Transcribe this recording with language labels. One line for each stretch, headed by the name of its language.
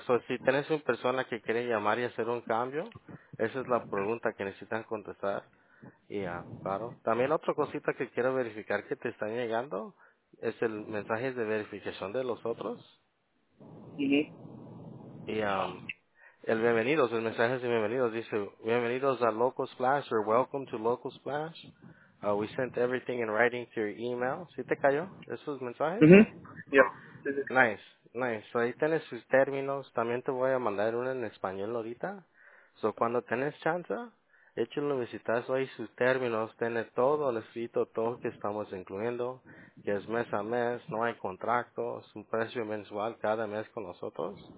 Spanish: So, si tienes una persona que quiere llamar y hacer un cambio, esa es la pregunta que necesitan contestar. Y, claro. También otra cosita que quiero verificar que te están llegando es el mensaje de verificación de los otros. Uh-huh. Y el bienvenidos, el mensaje de bienvenidos dice, bienvenidos a Local Splash,
English: or welcome to Local Splash. We sent everything in writing to your email.
Spanish: ¿Sí te cayó esos mensajes? Uh-huh. Yeah.
English: Nice.
Spanish: So ahí tienes sus términos. También te voy a mandar uno en español ahorita. So cuando tienes chance, Échenle un vistazo ahí sus términos, tiene todo el escrito, todo que estamos incluyendo, que es mes a mes, no hay contratos, un precio mensual cada mes con nosotros.